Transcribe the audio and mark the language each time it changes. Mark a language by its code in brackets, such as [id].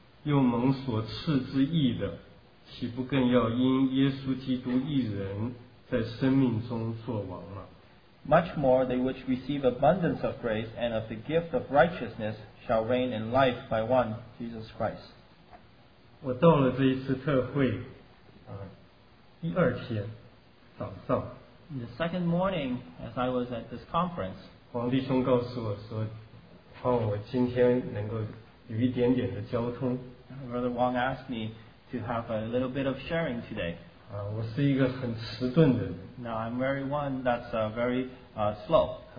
[zh] 何况那些受洪恩又蒙所赐之义的, 岂不更要因耶稣基督一人在生命中作王吗? [en] Much more they which receive abundance of grace and of the gift of righteousness shall reign in life by one, Jesus Christ. [zh] 我到了这一次特会, 第二天, [en] In the second morning, as I was at this conference, [zh] 黄弟兄告诉我说，盼望我今天能够有一点点的交通。 [en] Brother Wong asked me to have a little bit of sharing today. [zh] 我是一个很迟钝的人。 [en] Now I'm very one that's very slow.